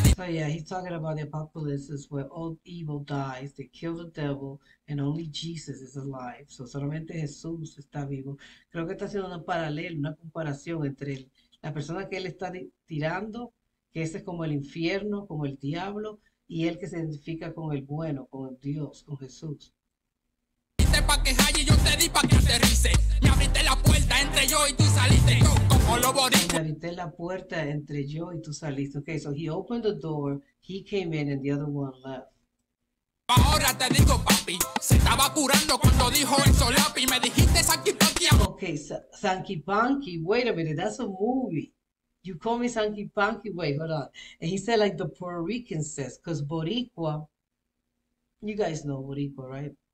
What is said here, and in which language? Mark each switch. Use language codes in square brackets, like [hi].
[en] dices. So yeah, he's talking about the apocalypse where all evil dies. They kill the devil and only Jesus is alive. So [es] solamente Jesús está vivo. Creo que está haciendo un paralelo, una comparación entre la persona que él está tirando, que ese es como el infierno, como el diablo. Y él que se identifica con el bueno, con el Dios, con Jesús. Diste pa' que jale, yo te di pa' que aterrice. Me abriste la puerta entre yo y tú saliste. Yo, como lo borico. Me abriste la puerta entre yo y tú saliste. [en] Okay, so he opened the door, he came in and the other one left. [es] Ahora te digo, papi, se estaba curando cuando dijo eso, lapi. Me dijiste Sanky Panky. [en] Okay, Sanky Panky, wait a minute, that's a movie. You call me Sanky Panky, wait, hold on. And he said like the Puerto Rican says, because Boricua, you guys know Boricua, right?